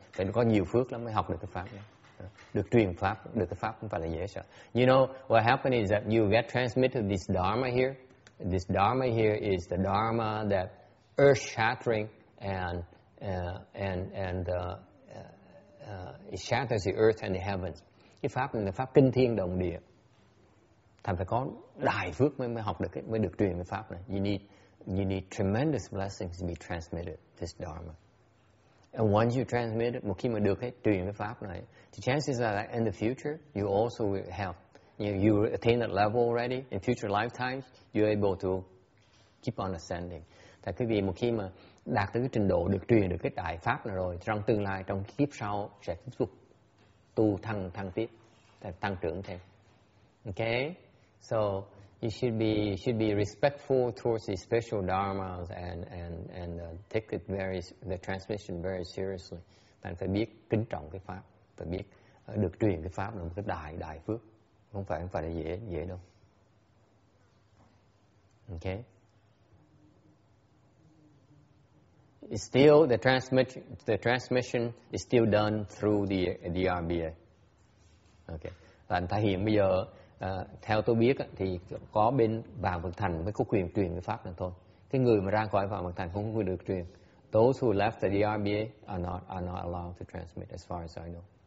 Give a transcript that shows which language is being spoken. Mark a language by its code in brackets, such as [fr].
[vi] Phải có nhiều phước lắm mới học được cái pháp đó. Được truyền pháp, được cái pháp không phải là dễ sợ. [en] You know what happened is that you get transmitted this Dharma here this dharma here is the dharma that earth-shattering and it shatters the earth and the heavens. [vi] Cái pháp này là pháp kinh thiên động địa. Thành phải có đại phước mới học được, mới được truyền cái pháp này. [en] You need tremendous blessings to be transmitted this dharma. And once you transmit it, [vi] một khi mà được cái truyền cái pháp này, [en] the chances are that in the future you also will have, you attain that level already. In future lifetimes, you're able to keep on ascending. [vi] Tại quý vị một khi mà đạt tới cái trình độ được truyền được cái đại pháp này rồi, trong tương lai, trong kiếp sau sẽ tiếp tục tu thăng tiếp, tăng trưởng thêm. [en] Okay, so you should be respectful towards the special dharmas and take it very, the transmission very seriously. [vi] Bạn phải biết kính trọng cái pháp, phải biết được truyền cái pháp là một cái đại phước, không phải là dễ đâu. [en] Okay. It's still the transmission is still done through the RBA. Okay. [vi] Bạn thấy hiện bây giờ theo tôi biết thì có bên Vạn Phật Thành mới có quyền truyền cái pháp này thôi. Cái người mà ra khỏi Vạn Phật Thành không có quyền được truyền. [en] Those who left the RBA are not allowed to transmit as far as I know.